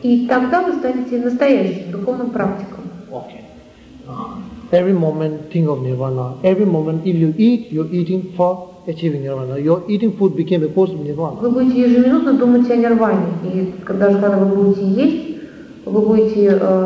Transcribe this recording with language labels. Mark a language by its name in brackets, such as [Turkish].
[Russian] И тогда вы станете настоящим духовным практиком. [English] Okay. Every moment think of nirvana. Every moment if you eat, you're eating for achieving nirvana. Your eating food became a cause of nirvana. [Russian] Вы будете ежеминутно думать о нирване. И когда вы будете есть, вы будете...